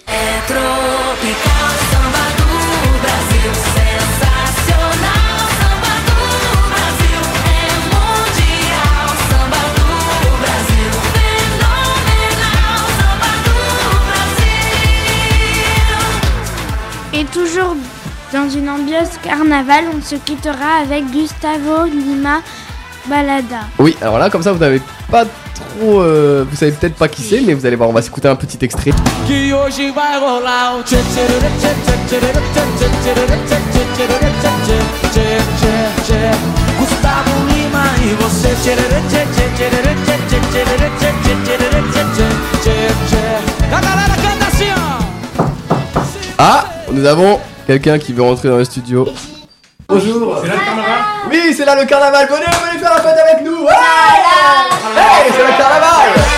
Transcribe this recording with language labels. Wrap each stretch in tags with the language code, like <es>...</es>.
<fr>Et toujours dans une ambiance carnaval, on se quittera avec Gustavo Lima Balada. Oui, alors là, comme ça, vous n'avez pas trop... vous savez peut-être pas qui c'est, mais vous allez voir, on va s'écouter un petit extrait.</fr> <pt>Qui hoje vai rolar Gustavo Lima e você A galera canta assim, ó.</pt> <fr>Ah, nous avons quelqu'un qui veut rentrer dans le studio. Bonjour. C'est là le carnaval. Oui, c'est là le carnaval. Venez, venez faire la fête avec nous. Ouais. Voilà. Hey, c'est le carnaval.</fr>